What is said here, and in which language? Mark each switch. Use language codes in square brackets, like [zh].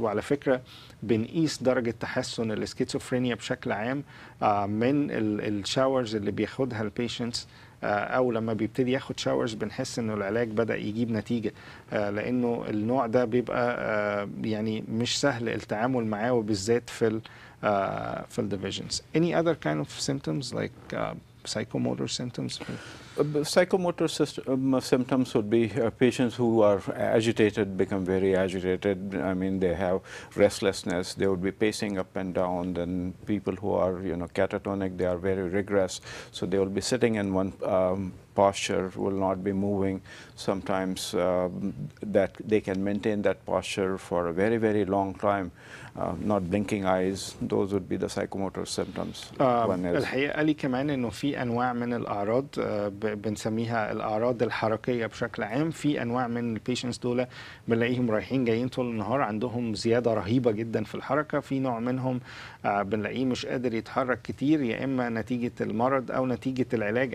[ar] وعلى فكره بنقيس درجه تحسن السكيزوفرينيا بشكل عام من الشاورز اللي بياخدها البيشنتس, او لما بيبتدي ياخد شاورز بنحس انه العلاج بدا يجيب نتيجه, لانه النوع ده بيبقى يعني مش سهل التعامل معاه, وبالذات في الديفيجنز. [en] Any other kind of symptoms like psychomotor symptoms? Psychomotor system, symptoms would be patients who are agitated, become very agitated. I mean, they have restlessness. They would be pacing up and down. Then people who are, you know, catatonic, they are very rigorous. So they will be sitting in one posture, will not be moving. Sometimes that they can maintain that posture for a very, very long time. Not blinking eyes, those would be the psychomotor symptoms. [ar] الحقيقة لي كمان إنه في أنواع من الأعراض بنسميها الأعراض الحركية بشكل عام. في أنواع من البيشنتس دول بنلاقيهم رايحين جايين طول النهار, عندهم زيادة رهيبة جدا في الحركة. في نوع منهم بنلاقيه مش قادر يتحرك كتير, يا إما نتيجة المرض أو نتيجة العلاج.